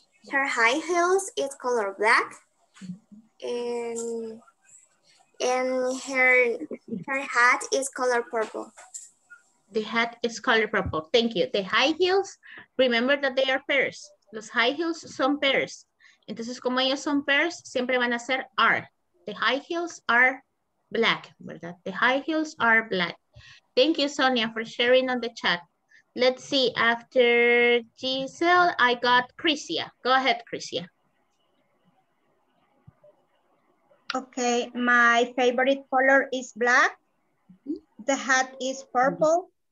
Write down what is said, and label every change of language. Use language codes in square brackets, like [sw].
[en] Her high heels is color black. And her hat is color purple. The hat is color purple. Thank you. The high heels, remember that they are pairs. [es] Los high heels son pairs. Entonces, como ellos son pairs, siempre van a ser are. [en] The high heels are black, ¿verdad? The high heels are black. Thank you, Sonia, for sharing on the chat. Let's see, after Giselle, I got Chrisia. Go ahead, Chrisia. Okay, my favorite color is black. The hat is purple.